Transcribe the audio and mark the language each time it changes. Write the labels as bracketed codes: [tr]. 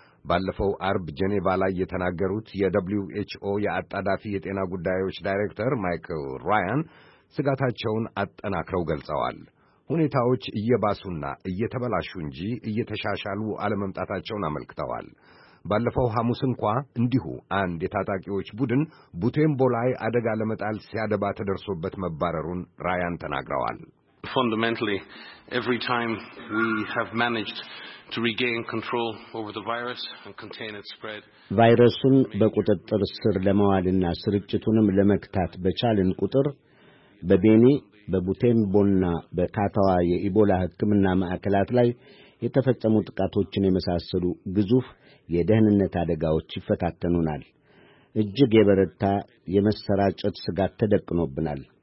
[am] ባለፈው አርብ ጄኔቫ ላይ የተናገሩት የWHO የአጣዳፊ የጤና ጉዳዮች ዳይሬክተር ማይክል ራያን ስጋታቸውን አጠናክረው ገልጸዋል። ሁኔታዎች እየባሱና እየተበላሹ እንጂ እየተሻሻሉ አለመምጣታቸውን አመልክተዋል። ባለፈው ሐሙስ እንኳ እንዲሁ አንድ የታጣቂዎች ቡድን ቡቴምቦ ላይ አደጋ ለመጣል ሲያደባ ተደርሶበት መባረሩን ራያን ተናግረዋል። [en] Fundamentally, every time we have managed to regain control over the virus and contain its spread. [am] ቫይረሱን በቁጥጥር ስር ለማዋልና ስርጭቱንም ለመክታት በቻልን ቁጥር በቤኒ፣ በቡቴምቦና በካታዋ የኢቦላ ሕክምና ማዕከላት ላይ የተፈጸሙ ጥቃቶችን የመሳሰሉ ግዙፍ የደህንነት አደጋዎች ይፈታተኑናል። እጅግ የበረታ የመሰራጨት ስጋት ተደቅኖብናል።